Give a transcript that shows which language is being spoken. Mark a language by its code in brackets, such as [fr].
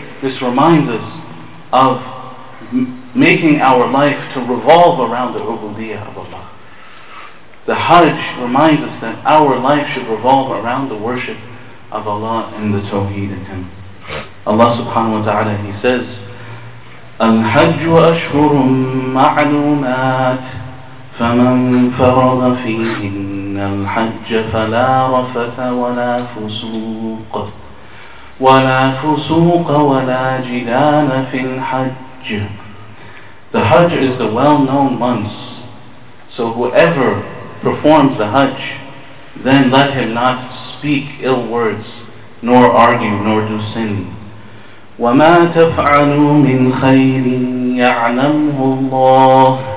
[en] This reminds us of making our life to revolve around the ubudiyyah of Allah. The Hajj reminds us that our life should revolve around the worship of Allah and the tawheed in Him. Allah subhanahu wa ta'ala, He says, [ar] الحج أشهر معلومات فمن فرض فيهن الحج فلا رفث ولا فسوق ولا فسوق ولا جدال في الحج. [en] The Hajj is the well-known months, so whoever performs the Hajj, then let him not speak ill words, nor argue, nor do sin. [ar] وَمَا تَفْعَلُوا مِنْ خَيْرٍ يَعْلَمْهُ اللَّهُ.